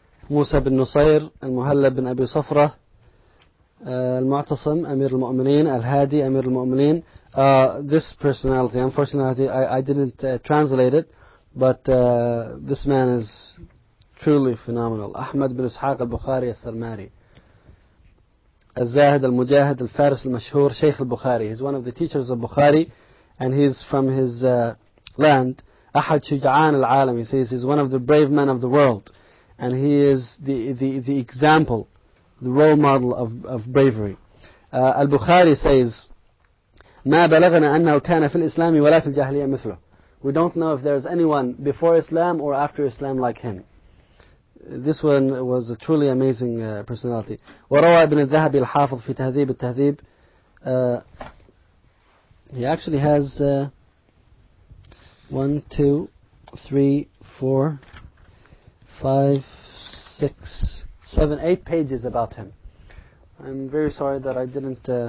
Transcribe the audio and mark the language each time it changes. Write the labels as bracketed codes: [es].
[ar] موسى بن نصير المهلب بن أبي صفرة المعتصم أمير المؤمنين الهادي أمير المؤمنين. [en] This personality, unfortunately I didn't translate it, but this man is truly phenomenal. [ar] أحمد بن إسحاق البخاري السرماري الزاهد المجاهد الفارس المشهور شيخ البخاري. [en] He's one of the teachers of Bukhari and he's from his land. [ar] أحد شجعان العالم. [en] He says he's one of the brave men of the world. And he is the example, the role model of bravery. Al-Bukhari says, [ar] ما بلغنا أنه كان في الإسلام ولا في الجاهلية مثله. [en] We don't know if there is anyone before Islam or after Islam like him. This one was a truly amazing personality. [ar] وروى ابن الذهبي الحافظ في تهذيب التهذيب. [en] He actually has 1, 2, 3, 4, 5, 6, 7, 8 pages about him. I'm very sorry that I didn't.